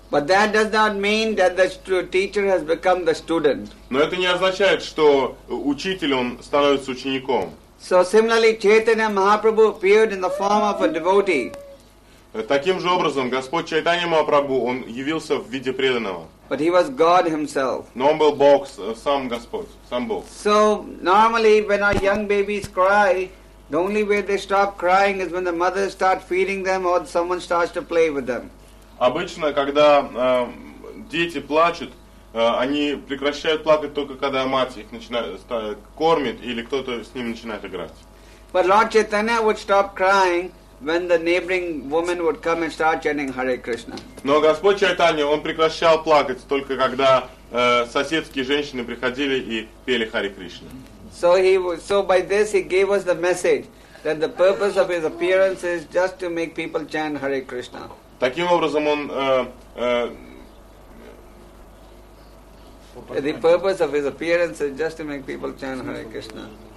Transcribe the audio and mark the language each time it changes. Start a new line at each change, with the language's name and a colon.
English: But that does not mean that the teacher has become the student.
Russian: Но это не означает, что учитель, он становится учеником.
English: So similarly, Chaitanya Mahaprabhu appeared in the form of a devotee.
Russian: Таким же образом, Господь Чайтанья Махапрабху, он явился в виде преданного.
English: But he was God himself.
Russian: Но он был Бог, сам Господь, сам Бог.
English: So normally, when our young babies cry, the only way they stop crying is when the mothers start feeding them or someone starts to play with them.
Russian: Обычно, когда дети плачут, они прекращают плакать только когда мать их начинает кормит или кто-то с ним начинает играть.
English: But Lord Chaitanya would stop crying when the neighboring woman would come and start chanting Hare Krishna.
Russian: Но Господь Чайтанья, он прекращал плакать только когда соседские женщины приходили и пели Hare Krishna.
English: So by this he gave us the message that the purpose of his appearance is just to make people chant Hare Krishna.
Russian: Таким образом, он
English: The purpose of his appearance is just to make people chant Hare Krishna.